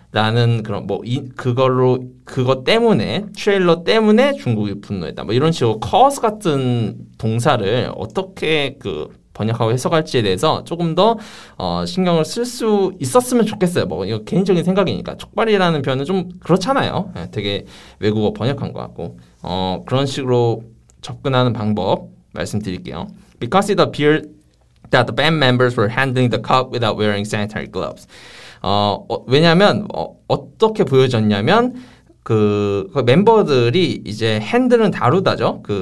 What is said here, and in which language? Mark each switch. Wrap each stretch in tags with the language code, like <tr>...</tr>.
<ko>라는 그런 뭐 그걸로 그거 때문에 트레일러 때문에 중국이 분노했다 뭐 이런 식으로 cause 같은 동사를 어떻게 그 번역하고 해석할지에 대해서 조금 더 신경을 쓸 수 있었으면 좋겠어요. 뭐 이거 개인적인 생각이니까 촉발이라는 표현은 좀 그렇잖아요. 되게 외국어 번역한 것 같고 그런 식으로 접근하는 방법 말씀드릴게요.</ko> <en>Because it appeared that the band members were handling the cup without wearing sanitary gloves.</en> <ko>왜냐면, 어떻게 보여졌냐면, 그 멤버들이 이제 핸들은 다루다죠?</ko>